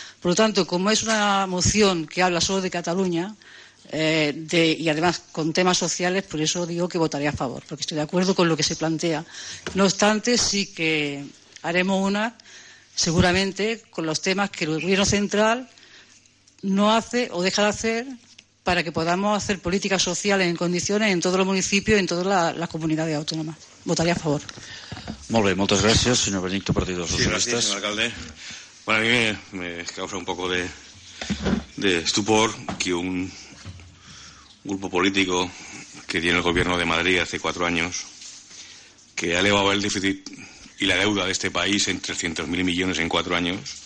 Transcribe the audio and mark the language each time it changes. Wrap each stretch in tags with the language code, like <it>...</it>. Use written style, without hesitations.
<es>Por lo tanto, como es una moción que habla solo de Cataluña, y además con temas sociales, por eso digo que votaré a favor, porque estoy de acuerdo con lo que se plantea. No obstante, sí que haremos una, seguramente, con los temas que el gobierno central no hace o deja de hacer para que podamos hacer políticas sociales en condiciones en todos los municipios, en todas las comunidades autónomas. Votaré a favor.</es> <ca>Molt bé, moltes gràcies, senyor Benicto, Partido Socialista. Sí, gràcies, senyor alcalde.</ca> <es>Bueno, a mi me causa un poco de estupor que un grupo político que tiene el gobierno de Madrid hace 4 años, que ha elevado el déficit y la deuda de este país en 300.000 millones en 4 años,</es>